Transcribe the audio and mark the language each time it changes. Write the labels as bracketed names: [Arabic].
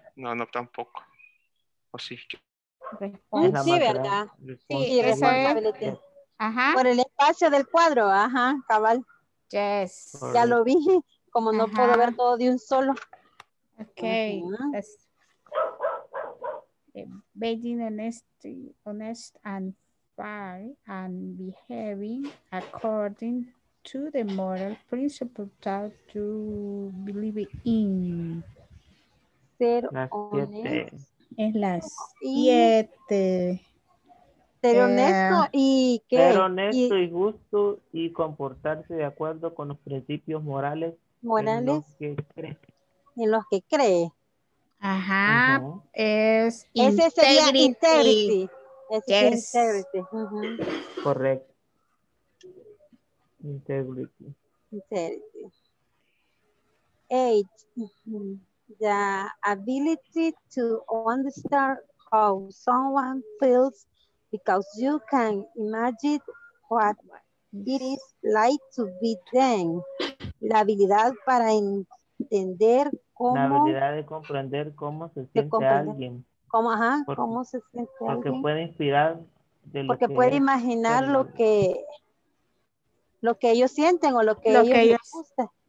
[Spanish] No, tampoco. O sí. Sí, ¿verdad? Sí, responsabilidad. Ajá. Por el espacio del cuadro, ajá, cabal. [English] Yes. [Spanish] Ya lo vi, como no puedo ver todo de un solo. Ok. [English] Being honest and by and behaving according to the moral principle that you believe in. [Spanish] Ser honesto. Es la 7. Ser honesto y qué. Ser honesto y justo y comportarse de acuerdo con los principios morales. Morales. En los que cree. En los que cree. Ajá. Uh-huh. Es ese integrity. Sería integrity. Ese yes. Es integrity. Uh-huh. Correcto. Integrity. [English] Integrity. Eight. The ability to understand how someone feels because you can imagine what it is like to be them. [Spanish] La habilidad para entender cómo. La habilidad de comprender cómo se siente comprender. Alguien. ¿Cómo, ajá? Porque, ¿cómo se siente porque alguien? Porque puede inspirar. De lo porque que puede es, imaginar de lo que ellos sienten o lo que lo ellos que les gusta.